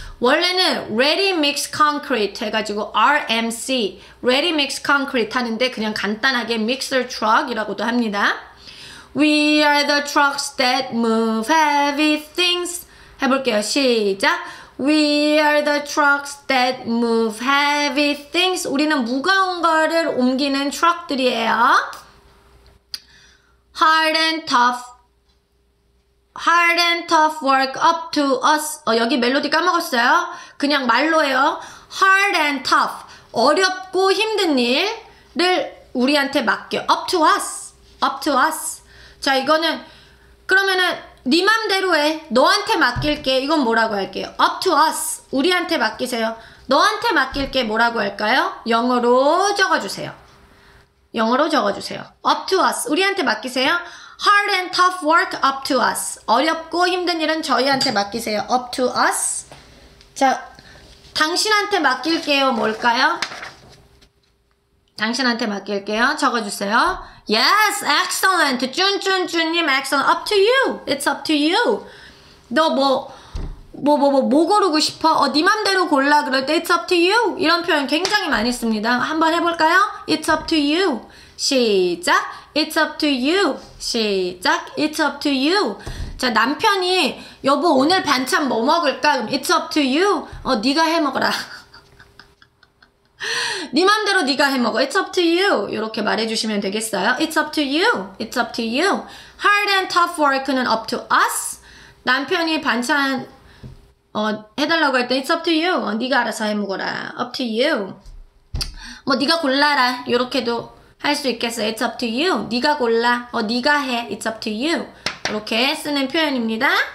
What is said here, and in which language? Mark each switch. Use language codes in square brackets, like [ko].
[ko] 원래는 ready mix concrete 해가지고 RMC ready mix concrete 하는데 그냥 간단하게 mixer truck이라고도 합니다. [en] We are the trucks that move heavy things. [ko] 해볼게요. 시작. [en] We are the trucks that move heavy things. [ko] 우리는 무거운 거를 옮기는 truck들이에요. [en] Hard and tough. Hard and tough work up to us. [ko] 여기 멜로디 까먹었어요. 그냥 말로 해요. [en] Hard and tough. [ko] 어렵고 힘든 일을 우리한테 맡겨. [en] Up to us. Up to us. [ko] 자, 이거는 그러면은 네 맘대로 해. 너한테 맡길게. 이건 뭐라고 할게요? [en] Up to us. [ko] 우리한테 맡기세요. 너한테 맡길게 뭐라고 할까요? 영어로 적어주세요. 영어로 적어주세요. [en] Up to us. [ko] 우리한테 맡기세요. [en] Hard and tough work up to us. [ko] 어렵고 힘든 일은 저희한테 맡기세요. [en] Up to us. [ko] 자, 당신한테 맡길게요. 뭘까요? 당신한테 맡길게요. 적어주세요. [en] Yes, excellent. [ko] 쭌쭌쭌님, excellent. [en] Up to you. It's up to you. [ko] 너 뭐 고르고 싶어? 네 맘대로 골라 그럴 때 [en] It's up to you. [ko] 이런 표현 굉장히 많이 씁니다. 한번 해볼까요? [en] It's up to you. 시작. It's up to you. 시작. It's up to you. [ko] 자, 남편이 여보 오늘 반찬 뭐 먹을까? [en] It's up to you. [ko] 네가 해 먹어라. 네 맘대로 네가 해 먹어. [en] It's up to you. [ko] 이렇게 말해주시면 되겠어요. [en] It's up to you. It's up to you. Hard and tough work는 up to us. [ko] 남편이 반찬 해달라고 할 때 [en] It's up to you. [ko] 네가 알아서 해 먹어라. [en] Up to you. [ko] 뭐 네가 골라라. 이렇게도 할 수 있겠어. [en] It's up to you. [ko] 네가 골라. 네가 해. It's up to you. 이렇게 쓰는 표현입니다.